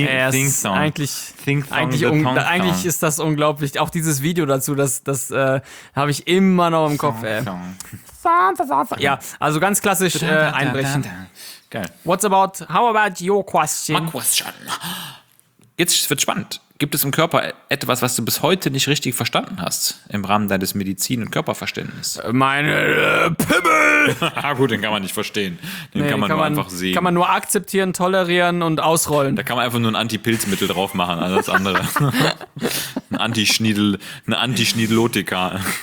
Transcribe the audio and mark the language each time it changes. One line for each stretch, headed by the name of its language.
German: Eigentlich ist das unglaublich. Auch dieses Video dazu, das habe ich immer noch im Kopf, ey. Ja, also ganz klassisch einbrechen. Geil.
English: How about your question? My question.
German: Jetzt wird's spannend. Gibt es im Körper etwas, was du bis heute nicht richtig verstanden hast, im Rahmen deines Medizin- und Körperverständnisses? Meine Pimmel! Gut, den kann man nicht verstehen. Den kann man nur einfach sehen. Kann man nur akzeptieren, tolerieren und ausrollen. Da kann man einfach nur ein Antipilzmittel drauf machen, alles andere. Ein Antischniedelotika.